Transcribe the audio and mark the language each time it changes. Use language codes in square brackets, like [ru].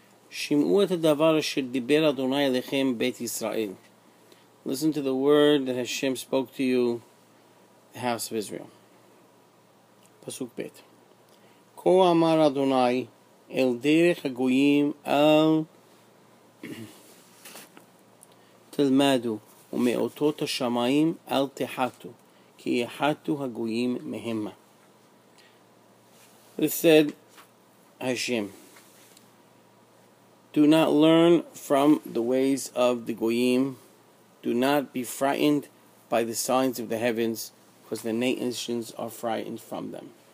[he] שמעו את הדבר אשר דיבר אדוני אליכם בית ישראל. [en] Listen to the word that Hashem spoke to you, the house of Israel. [he] פסוק ב'. כה אמר אדוני אל דרך הגויים אל תלמדו ומאותות השמיים אל תחתו כי יחתו הגויים מהמה. [en] It said, Hashem, do not learn from the ways of the Goyim. Do not be frightened by the signs of the heavens, because the nations are frightened from them.